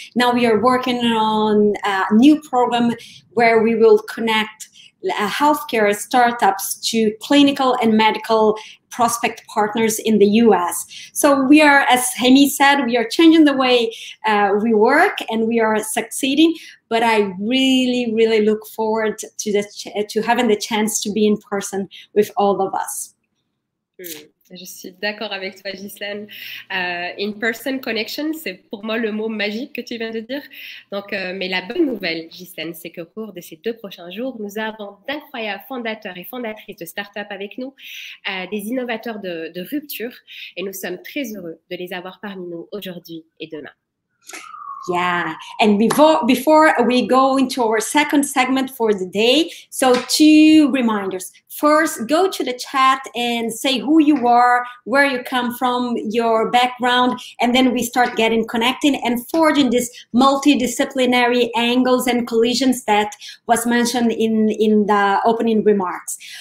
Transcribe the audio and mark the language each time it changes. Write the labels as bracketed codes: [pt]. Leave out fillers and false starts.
[en] Now we are working on a new program where we will connect healthcare startups to clinical and medical prospect partners in the US. So we are, as Hemi said, we are changing the way we work and we are succeeding, but I really, really look forward to to having the chance to be in person with all of us. [fr] Je suis d'accord avec toi, Ghislaine. [en] In-person connection, [fr] c'est pour moi le mot magique que tu viens de dire. Donc, mais la bonne nouvelle, Ghislaine, c'est qu'au cours de ces deux prochains jours, nous avons d'incroyables fondateurs et fondatrices de start-up avec nous, des innovateurs de rupture, et nous sommes très heureux de les avoir parmi nous aujourd'hui et demain. [en] Yeah, and before we go into our second segment for the day, so two reminders. First, go to the chat and say who you are, where you come from, your background, and then we start getting connecting and forging these multidisciplinary angles and collisions that was mentioned in the opening remarks.